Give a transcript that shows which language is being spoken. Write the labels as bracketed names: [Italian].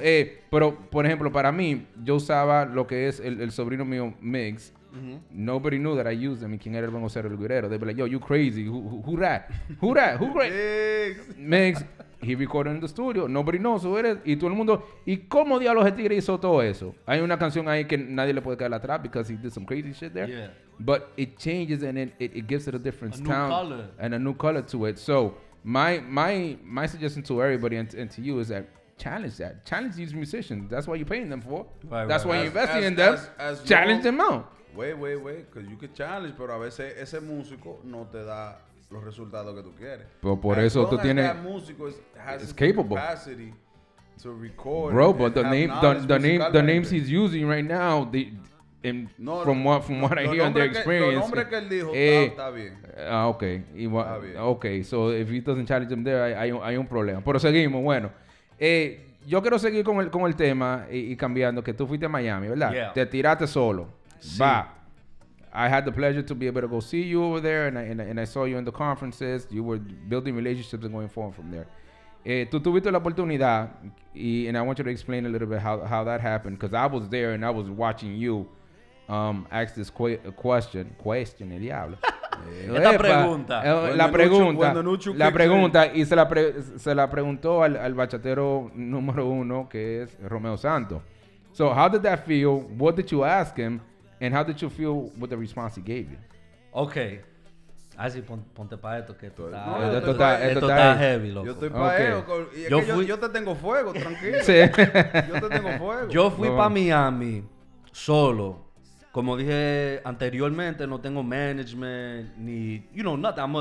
[Spanish] Pero, por ejemplo, para mí, yo usaba lo que es el sobrino mío, Mix. [English] Mm-hmm. Nobody knew that I used him. [Spanish] ¿Quién era el buen Osero, el Guerrero? [English] They'd be like, yo, you crazy. Who rat? Who crazy? Mix. He recorded in the studio. Nobody knows who it is. [Spanish] Y todo el mundo. ¿Y cómo diablos el tigre hizo todo eso? Hay una canción ahí que nadie le puede caer atrás [English] because he did some crazy shit there. Yeah. But it changes and it gives it a different sound. A new color to it. So... My suggestion to everybody and to you is that challenge these musicians. That's what you're paying them for. That's why you're investing in them. Challenge them out. Wait, because you can challenge, [Spanish] pero a veces ese músico no te da los resultados que tú quieres. Pero por as eso tú tienes. [English] That músico has capable. Capacity to record. Bro, but the names he's using right now, From what I hear and their experience. [Spanish] Que, que él dijo, está bien. [English] Okay. [Spanish] Está bien. [English] Okay. So if he doesn't challenge them there, [Spanish] hay un problema. Pero seguimos. Bueno. Yo quiero seguir con el tema y cambiando. Que tú fuiste a Miami, ¿verdad? [English] Yeah. [Spanish] Te tiraste solo. Sí. Va. [English] I had the pleasure to be able to go see you over there. And I saw you in the conferences. You were building relationships and going forward from there. [Spanish] Tú tuviste la oportunidad. [English] And I want you to explain a little bit how that happened. Because I was there and I was watching you. Ask this question. Question, [Spanish] el diablo. La pregunta. Y se la preguntó al bachatero número uno, que es Romeo Santo. So, how did that feel? What did you ask him? And how did you feel with the response he gave you? Okay. Así, ponte para esto, que esto está [English] heavy, heavy, loco. [Spanish] Yo estoy para eso. Okay. Yo te tengo fuego, tranquilo. Sí. Yo te tengo fuego. Yo fui para Miami solo. Como dije anteriormente, no tengo management ni, [English] you know, nothing.